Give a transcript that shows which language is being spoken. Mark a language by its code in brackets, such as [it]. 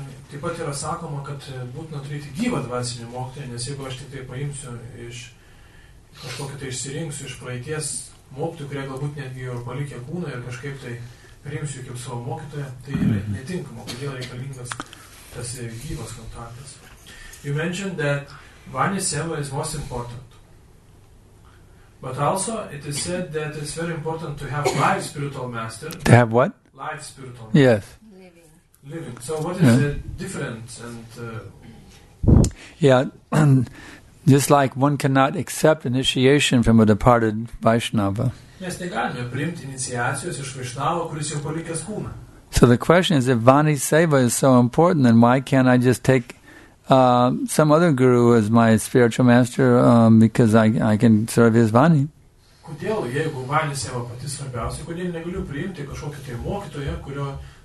[lt] Taip pat yra sakoma, kad būtina turėti gyvą dvasinį mokytoją, nes jeigu aš tik tai paimsiu iš kažkokio tai išsirinksiu iš praeities mokytojų, kurie galbūt netgi ir palikė kūną ir kažkaip tai priimsiu kaip savo mokytoją, tai yra netinkama, kodėl reikalingas tas gyvas kontaktas. [en] You mentioned that Vani Seva is most important. But also it is said that it's very important to have live spiritual master. To have what? Live spiritual master. Yes. Living. So, what is yeah. the difference? And yeah, just like one cannot accept initiation from a departed Vaishnava. Yes, they can't accept initiation from Vaishnava, who is your colleague's kuna. So the question is, if Vani Seva is so important, then why can't I just take some other guru as my spiritual master because I can serve his Vani? [lt] Kodėl, jeigu Vani Seva pati svarbiausia, kodėl negaliu priimti kažkokį tai mokytoją, kurio